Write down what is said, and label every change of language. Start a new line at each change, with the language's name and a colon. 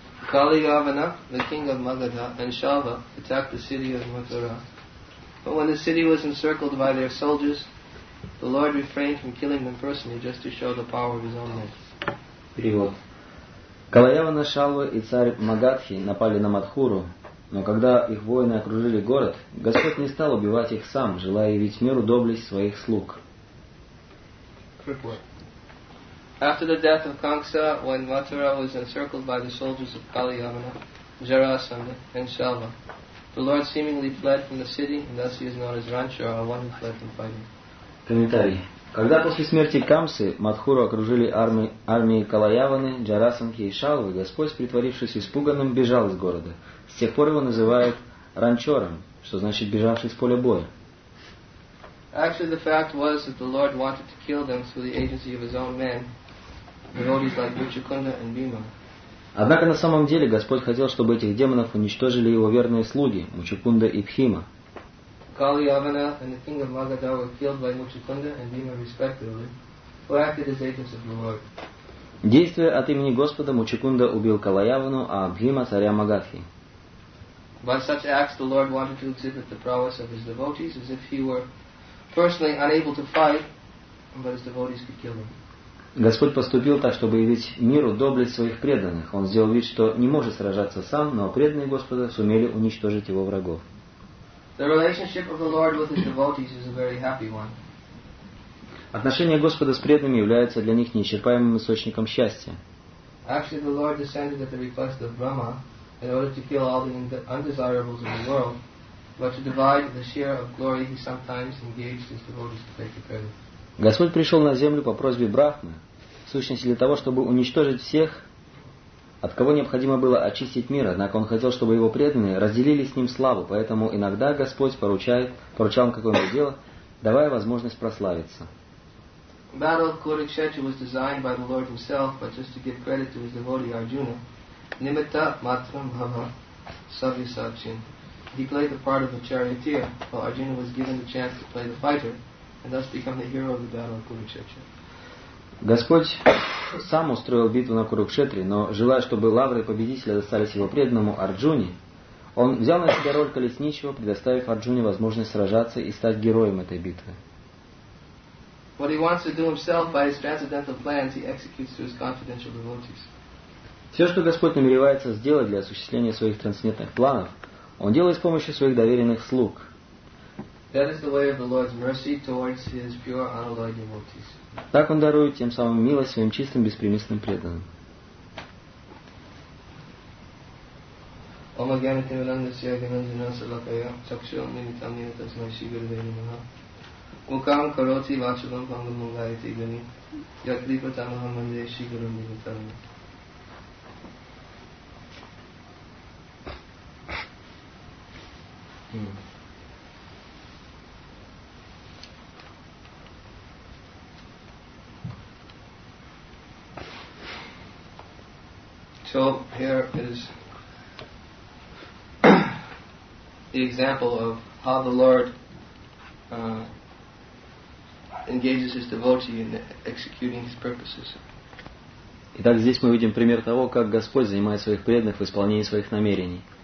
English: Kali Yavana, the king of Magadha, and Shava attacked the city of Mathura. But when the city was encircled by their soldiers, the Lord refrained from killing them personally just to show the power of his own name.
Russian: Перевод. Калаявана, Шалва и царь Магадхи напали на Мадхуру, но когда их воины окружили город, Господь не стал убивать их сам, желая явить миру доблесть своих слуг.
English: After the death of Kamsa, when Mathura was encircled by the soldiers of Kalayavana, Jarasandha, and Shalva, the Lord seemingly fled from the city, and thus he is known as Ranchara, one who fled from fighting.
Russian: Комментарий. Когда после смерти Камсы Мадхуру окружили армии Калаяваны, Джарасанхи и Шалвы, Господь, притворившись испуганным, бежал из города. С тех пор его называют Ранчором, что значит бежавший с поля боя.
English: Actually, the fact was that the Lord wanted to kill them through the agency of his own men, devotees like Bhuchakunda and Bhima.
Russian: Однако на самом деле Господь хотел, чтобы этих демонов уничтожили его верные слуги, Бхуччакунда и Бхима.
English: Kali Yavana and the king of Magadha were killed by Bhuchakunda and Bhima respectively, who acted as agents of the Lord.
Russian: Действуя от имени Господа, Бхуччакунда убил Калаявану, а Бхима царя Магадхи.
English: By such acts, the Lord wanted to exhibit the prowess of his devotees, as if he were personally unable to fight, but his devotees could kill him.
Russian: Господь поступил так, чтобы явить миру доблесть своих преданных. Он сделал вид, что не может сражаться сам, но преданные Господа сумели уничтожить его врагов.
English: The relationship of the Lord with his devotees is a very happy one.
Russian: Отношение Господа с преданными является для них неисчерпаемым источником счастья.
English: Actually, the Lord descended at the request of Brahma in order to kill all the undesirables of the world, but to divide the share of glory he sometimes engaged his devotees to take the credit.
Russian: Господь пришел на землю по просьбе Брахмы, в сущности для того, чтобы уничтожить всех, от кого необходимо было очистить мир, однако он хотел, чтобы его преданные разделили с ним славу, поэтому иногда Господь поручал им какое-нибудь дело, давая возможность прославиться.
English: Battle of Kurukshetra was designed by the Lord himself, but just to give credit to his devotee Arjuna,
Sanskrit: Nimitta Matram Bhava Savya Sachin.
English: He played the part of a charioteer, while Arjuna was given the chance to play the fighter, and thus become the hero of the battle of Kurukshetra.
Russian: Господь сам устроил битву на Курукшетре, но желая, чтобы лавры победителя достались его преданному Арджуне, он взял на себя роль колесничего, предоставив Арджуне возможность сражаться и стать героем этой битвы.
English: What he wants to do himself by his transcendental plans, he executes through his confidential devotees.
Russian: Все, что Господь намеревается сделать для осуществления своих трансцендентных планов, он делает с помощью своих доверенных слуг.
English: That is the way of the Lord's mercy towards his pure unalloyed devotees.
Russian: Так он дарует тем самым милость своим чистым беспримесным преданным.
Sanskrit: Ом агьянати вирандаси агьянанджана салакая чакшум нимитам нимитасмай шивирдей нимаха мукам кароти вачалам пангам мунгайте гани ятрипа тамахам манде шивирам нимитам.
English: So here is the example of how the Lord engages his devotee in executing his purposes.
Russian: Итак, здесь мы видим пример того, как Господь занимает своих преданных в исполнении своих намерений.